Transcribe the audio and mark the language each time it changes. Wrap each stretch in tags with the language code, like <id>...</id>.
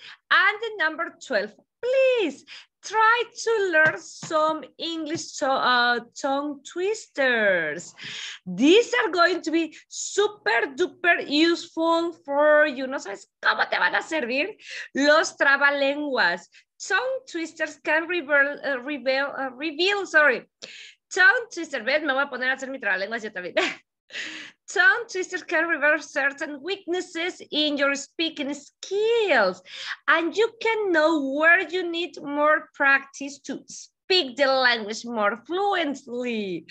<en>And number 12, please try to learn some English tongue twisters. These are going to be super duper useful for you.</en> <es>¿No sabes cómo te van a servir los trabalenguas?</es> <en>Tongue twisters can reveal. Tongue twister,</en> <es>¿ves? Me voy a poner a hacer mi trabalenguas yo también.</es> <en>Tongue twisters can reveal certain weaknesses in your speaking skills, and you can know where you need more practice to speak the language more fluently.</en>